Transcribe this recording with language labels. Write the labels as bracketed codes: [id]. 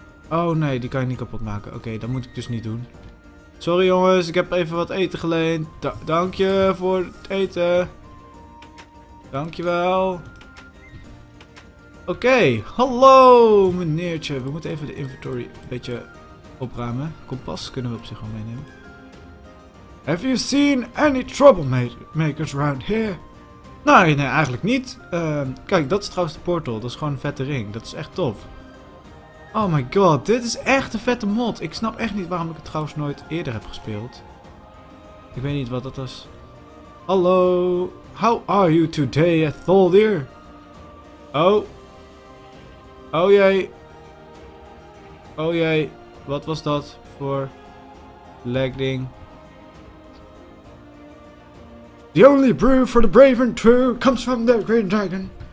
[nl] Oh nee, die kan je niet kapot maken. Oké, dat moet ik dus niet doen. Sorry jongens, ik heb even wat eten geleend. Dank je voor het eten. Dankjewel. Oké. Hallo meneertje. We moeten even de inventory een beetje opruimen. Kompas kunnen we op zich wel meenemen. [en] Have you seen any troublemakers around here? [nl] Nee, eigenlijk niet. Kijk, dat is trouwens de portal. Dat is gewoon een vette ring. Dat is echt tof. [en] Oh my god, [nl] dit is echt een vette mod. Ik snap echt niet waarom ik het trouwens nooit eerder heb gespeeld. Ik weet niet wat dat was. [en] Hallo, how are you today, Ethaldir? [nl] Oh. Oh jee. Oh jee, wat was dat voor lag ding? [en] The only brew for the brave and true comes from the green dragon.